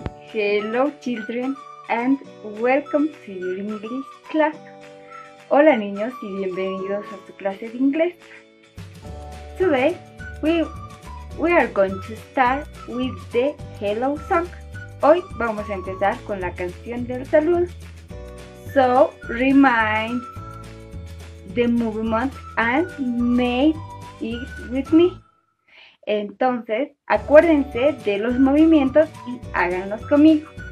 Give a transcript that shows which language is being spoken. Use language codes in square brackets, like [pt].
[en] Hello children and welcome to your English class. [es] Hola niños y bienvenidos a tu clase de inglés. [en] Today we are going to start with the hello song. [es] Hoy vamos a empezar con la canción del saludo. [en] So remind the movement and make it with me. [es] Entonces, acuérdense de los movimientos y háganlos conmigo.